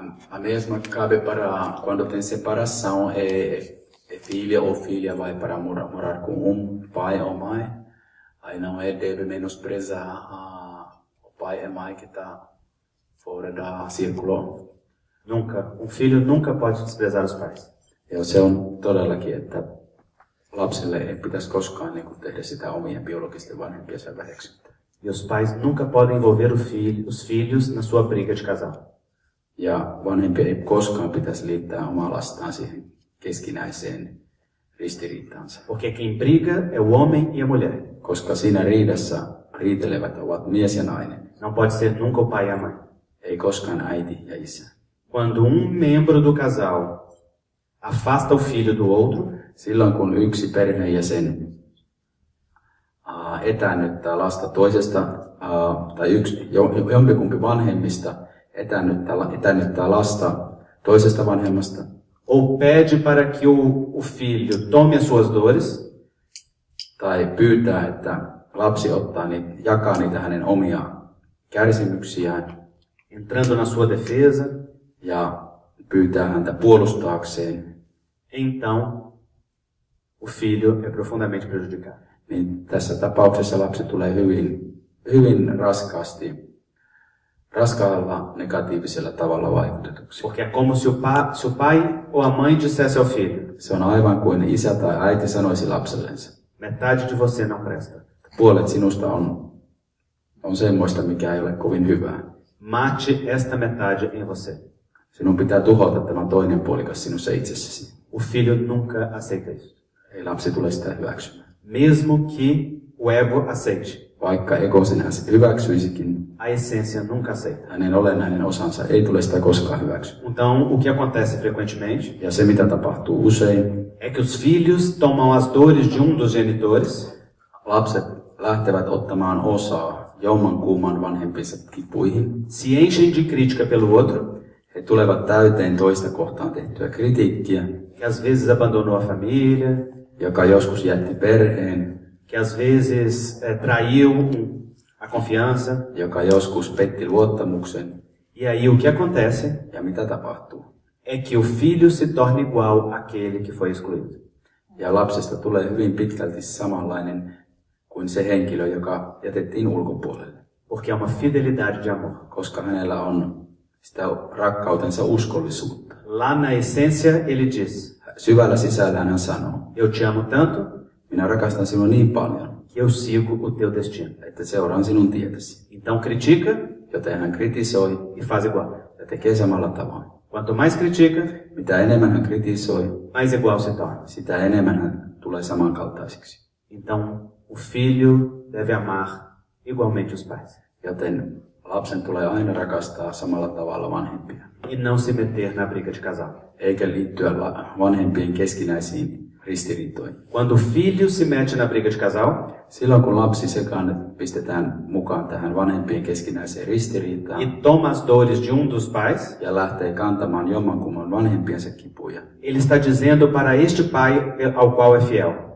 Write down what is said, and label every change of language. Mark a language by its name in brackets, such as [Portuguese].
[Portuguese] A mesma cabe para quando tem separação, é filha ou filha vai para morar com pai ou mãe, aí não é, deve menosprezar o pai e mãe que está fora da círculo. Nunca, filho nunca pode desprezar os pais. Eu sei todella que está. [Finnish] Lapselle ei pitäisi koskaan niin kuin tehdä sitä omien biologisten vanhempiensa väheksyntää. [Portuguese] Os pais nunca podem envolver os filhos na sua briga de casal. [Finnish] Ja vanhempi ei koskaan pitäisi liittää omaa lastaan siihen keskinäiseen ristiriitaansa. [Portuguese] Porque quem briga é o homem e a mulher. [Finnish] Koska siinä riidassa riitelevät ovat mies ja nainen. [Portuguese] Não pode ser nunca o pai e a mãe. [Finnish] Ei koskaan äiti ja isä. [Portuguese] Quando membro do casal afasta o filho do outro. [Finnish] Silloin kun yksi perheenjäsen etäännyttää lasta toisesta, tai jompikumpi vanhemmista etäännyttää lasta toisesta vanhemmasta. [Portuguese] Ou pede para que o filho tome as suas dores. [Finnish] Tai pyytää, että lapsi ottaa jakaa niitä hänen omia kärsimyksiään. [Portuguese] Entrando na sua defesa. [Finnish] Ja pyytää häntä puolustaakseen. [Portuguese] Então, o filho é profundamente prejudicado. [Finnish] Niin tässä tapauksessa lapsi tulee hyvin raskaasti, raskaalla negatiivisella tavalla vaikutetuksi. [Portuguese] Porque é como se o pai ou a mãe dissesse ao filho. [Finnish] Se on aivan kuin isä tai äiti sanoisi lapsellensa. [Portuguese] Metade de você não presta. [Finnish] Puolet sinusta on semmoista, mikä ei ole kovin hyvää. [Portuguese] Mate esta metade em você. [Finnish] Sinun pitää tuhota tämän toinen puolikas sinussa itsessäsi. [Portuguese] O filho nunca aceita isso. [Finnish] Ei lapsi tule sitä hyväksymään. [Portuguese] Mesmo que o ego aceite. [Finnish] Vaikka ego sen hyväksyisikin. [Portuguese] A essência nunca aceita. [Finnish] Hänen olennainen osansa ei tule sitä koskaan hyväksymään. [Portuguese] Então, o que acontece frequentemente. [Finnish] Ja se mitä tapahtuu usein. [Portuguese] É que os filhos tomam as dores de dos genitores. [Finnish] Lapset lähtevät ottamaan osaa jommankumman vanhempinsa kipuihin. [Portuguese] Se enchem de crítica pelo outro. [Finnish] He tulevat täyteen toista kohtaan tehtyä kritiikkiä. [Portuguese] Que às vezes abandonou a família. [Finnish] Joka joskus jätti perheen. [Portuguese] Que às vezes traiu a confiança. [Finnish] Joka joskus petti luottamuksen. [Portuguese] E aí o que acontece? [Finnish] Ja mitä tapahtuu? [Portuguese] É que o filho se torna igual àquele que foi excluído. [Finnish] Ja lapsesta tulee hyvin pitkälti samanlainen kuin se henkilö, joka jätettiin ulkopuolelle. [Portuguese] Porque é uma fidelidade de amor. [Finnish] Koska hänellä on sitä rakkautensa uskollisuutta. [Portuguese] Lá na essência ele diz. [Finnish] Syvällä sisällään hän sanoo. [Portuguese] Eu te amo tanto. [Finnish] Minä rakastan sinua niin paljon. [Portuguese] Que eu sigo o teu destino. [Finnish] Että seuraan sinun tietäsi. [Portuguese] Então critica. [Finnish] Joten hän kritisoi. [Portuguese] E faz igual. [Finnish] Ja tekee samalla tavoin. [Portuguese] Quanto mais critica. [Finnish] Mitä enemmän hän kritisoi. [Portuguese] Mais igual se torna. [Finnish] Sitä enemmän hän tulee samankaltaiseksi. [Portuguese] Então o filho deve amar igualmente os pais. [Finnish] Joten lapsen tulee aina rakastaa samalla tavalla vanhempia. [Portuguese] E não se meter na briga de casal. [Finnish] Eikä liittyä vanhempien keskinäisiin ristiriitoihin. [Portuguese] Quando o filho se mete na briga de casal, [Finnish] silloin kun lapsi sekaan pistetään mukaan tähän vanhempien keskinäiseen ristiriitaan, [Portuguese] e toma as dores de dos pais, [Finnish] ja lähtee kantamaan jommankumman vanhempiensa kipuja, [Portuguese] ele está dizendo para este pai ao qual é fiel.